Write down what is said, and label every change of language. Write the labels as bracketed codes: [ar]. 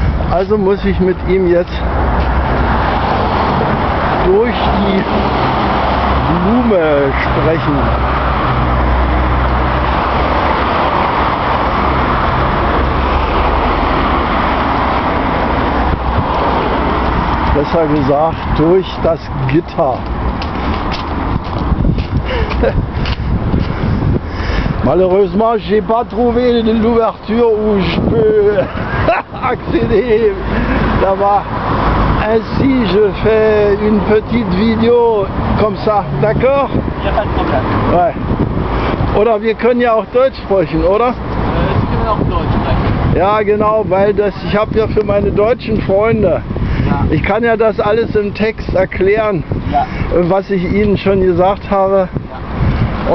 [de] Also muss ich mit ihm jetzt durch die Blume sprechen. Besser gesagt, durch das Gitter. [fr] Malheureusement, j'ai pas trouvé l'ouverture où je peux accéder. [de] Da war. [fr] Ainsi, je fais une petite vidéo comme ça, d'accord? [de] Ja, kein Problem. [fr] Ouais. [de] Oder wir können ja auch Deutsch sprechen, oder? Sie können auch Deutsch sprechen. Ja, genau, weil das, ich habe ja für meine deutschen Freunde. Ja. Ich kann ja das alles im Text erklären, ja, was ich Ihnen schon gesagt habe. Ja.